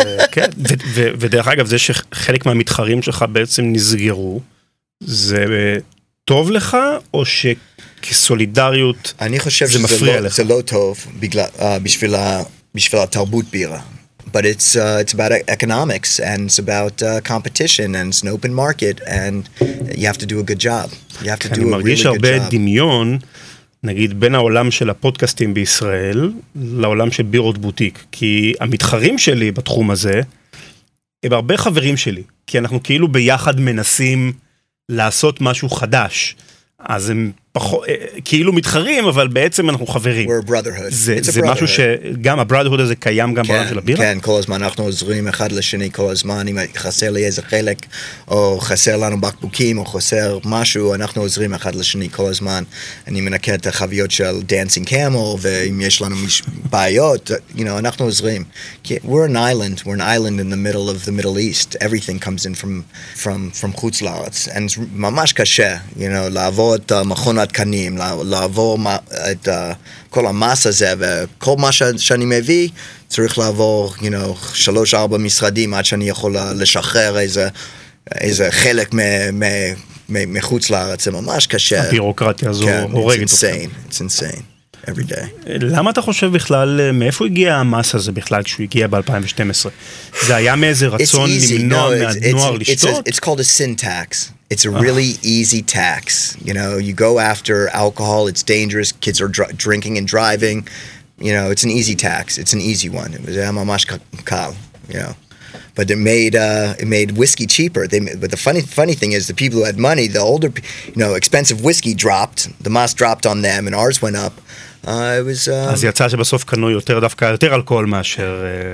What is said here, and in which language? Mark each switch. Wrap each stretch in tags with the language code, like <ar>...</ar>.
<he>כן, ודרך אגב, זה שחלק מהמתחרים שלך בעצם נסגרו, זה טוב לך, או שכסולידריות זה מפריע לך? אני חושב שזה לא טוב, בשביל התרבות בירה.</he> <en>But it's about economics, and it's about competition, and it's an open market, and you have to do a good job. You have to do a really good job.</en> <he>אני מרגיש הרבה דמיון, נגיד, בין העולם של הפודקאסטים בישראל, לעולם של בירות בוטיק. כי המתחרים שלי בתחום הזה, הם הרבה חברים שלי. כי אנחנו כאילו ביחד מנסים לעשות משהו חדש. אז הם כאילו מתחרים, אבל בעצם אנחנו חברים.</he> <en>We're a brotherhood.</en> <he>זה משהו שגם הברדהוד הזה קיים גם בעולם של הבירה? כן, כל הזמן אנחנו עוזרים אחד לשני כל הזמן, אם חסר לי איזה חלק, או חסר לנו בקבוקים, או חסר משהו, אנחנו עוזרים אחד לשני כל הזמן. אני מנקה את החוויות של Dancing Camel, ואם יש לנו בעיות, אנחנו עוזרים.</he> <en>We're an island in the middle of the Middle East. Everything comes in from</en> <he>חוץ לארץ.</he> <en>And it's</en> <he>ממש קשה, לעבור את המכון התקנים, לעבור את כל המס הזה, וכל מה שאני מביא, צריך לעבור, 3-4 משרדים עד שאני יכול לשחרר איזה חלק מחוץ לארץ. זה ממש קשה. הבירוקרטיה הזו הורגת.</he> <en>It's insane. Every day.</en> <he>למה אתה חושב בכלל, מאיפה הגיע המס הזה בכלל כשהוא הגיע ב-2012? זה היה מאיזה רצון למנוע מהנוער לשתות?</he> <en>It's called a sin tax. It's a really easy tax. You go after alcohol, it's dangerous, kids are drinking and driving. It's an easy tax. It's an easy one. It was</en> <he>ממש קל,</he> <en>But it made whiskey cheaper. But the funny thing is the people who had money, the older, expensive whiskey dropped. The mass dropped on them and ours went up.</en> <he>אז יצא שבסוף קנו יותר דווקא יותר אלכוהול מאשר</he>